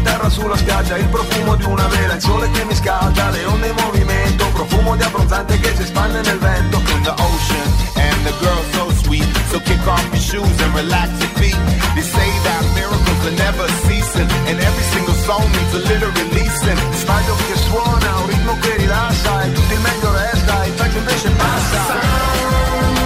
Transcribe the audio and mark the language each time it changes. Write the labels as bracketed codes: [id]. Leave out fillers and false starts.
[it] Sulla spiaggia il profumo di una vela, il sole che mi scalda, le onde in movimento, profumo di abbronzante che si espande nel vento. [en] In the ocean and the girl so sweet, so kick off your shoes and relax your feet. They say that miracles are never ceasing, and every single song needs a little releasing. [it] Sbaglio che suona, un ritmo che rilassa, e tutto il meglio resta, il pezzo invece passa.